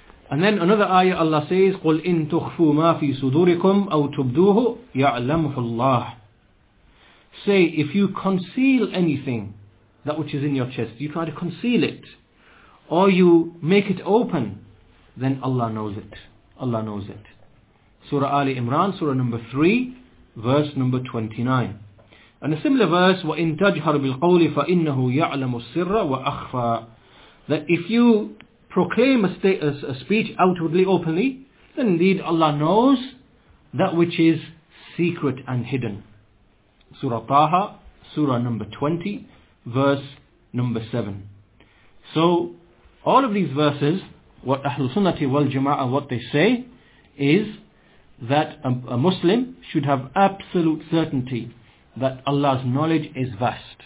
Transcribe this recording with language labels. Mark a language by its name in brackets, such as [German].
[English] And then another ayah, Allah says, [Arabic] قُلْ إِن تُخْفُوا مَا فِي صُدُورِكُمْ أَوْ تُبْدُوهُ يَعْلَمْهُ اللَّهُ. [English] Say, if you conceal anything, that which is in your chest, you try to conceal it, or you make it open, then Allah knows it. Allah knows it. Surah Ali Imran, Surah number 3, verse number 29. And a similar verse, [Arabic] وَإِن تَجْهَرْ بِالْقَوْلِ فَإِنَّهُ يَعْلَمُ السِّرَّ وَأَخْفَى. [English] That if you proclaim a speech outwardly, openly, then indeed Allah knows that which is secret and hidden. Surah Taha, Surah number 20, verse number 7. So all of these verses, what Ahlul Sunnati wal Jama'ah, what they say is that a Muslim should have absolute certainty that Allah's knowledge is vast.